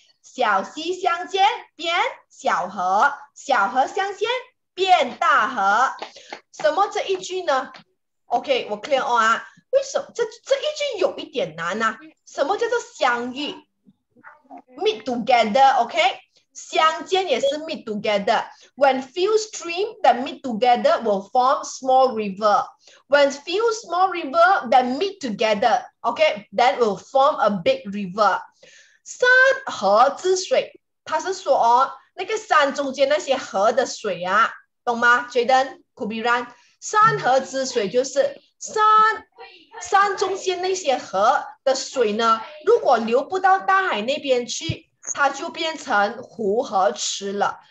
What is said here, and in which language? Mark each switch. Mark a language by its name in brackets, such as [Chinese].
[Chinese] 小溪相见变小河，小河相见变大河。什么这一句呢 ？OK， 我 [English] clear on [Chinese] 啊？为什么 这一句有一点难啊？什么叫做相遇 [English] ？Meet together，OK？、Okay? [Chinese] 相见也是 [English] meet together。 When few streams that meet together will form small river。 When few small rivers that meet together，OK，、okay? that will form a big river。 [Chinese] 山河之水，他是说、哦、那个山中间那些河的水啊，懂吗 ？Jaden Kubiran， 山河之水就是山中间那些河的水呢，如果流不到大海那边去，它就变成湖和池了。